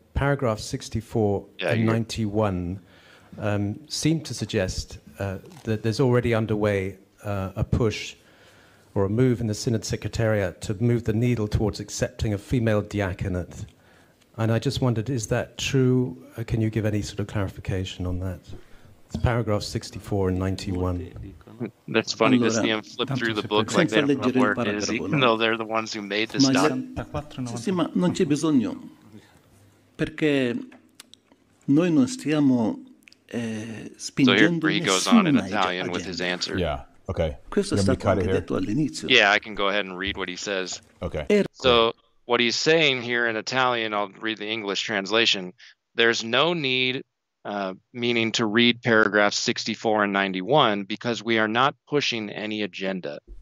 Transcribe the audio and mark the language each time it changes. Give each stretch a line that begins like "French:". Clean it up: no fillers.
English: Paragraph 64 and 91 seem to suggest that there's already underway a push or a move in the Synod Secretariat to move the needle towards accepting a female diaconate. And I just wondered, is that true? Can you give any sort of clarification on that? It's paragraph 64 and 91. That's funny because allora, they flipped through the book like they don't know where it is, even though they're the ones who made this document.
Italian: Sì, ma non c'è bisogno, perché noi non stiamo spingendo nessuna
English: agenda. So here he goes on in Italian with his answer. Yeah, okay.
Italian: Questo è stato anche detto all'inizio.
English: Yeah, I can go ahead and read what he says. Okay. So what he's saying here in Italian, I'll read the English translation. There's no need, meaning to read paragraphs 64 and 91, because we are not pushing any agenda.